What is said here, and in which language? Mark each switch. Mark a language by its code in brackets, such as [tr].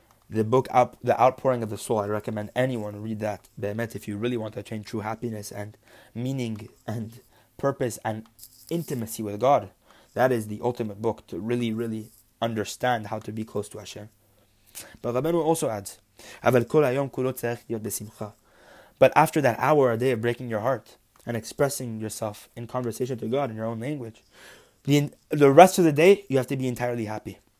[en] The book, The Outpouring of the Soul, I recommend anyone read that, be'emet, if you really want to attain true happiness and meaning and purpose and intimacy with God. That is the ultimate book to really, really understand how to be close to Hashem. But Rabbeinu also adds, [he] אבל כל היום כולו צריך להיות בשמחה. [en] But after that hour a day of breaking your heart and expressing yourself in conversation to God in your own language, the rest of the day, you have to be entirely happy.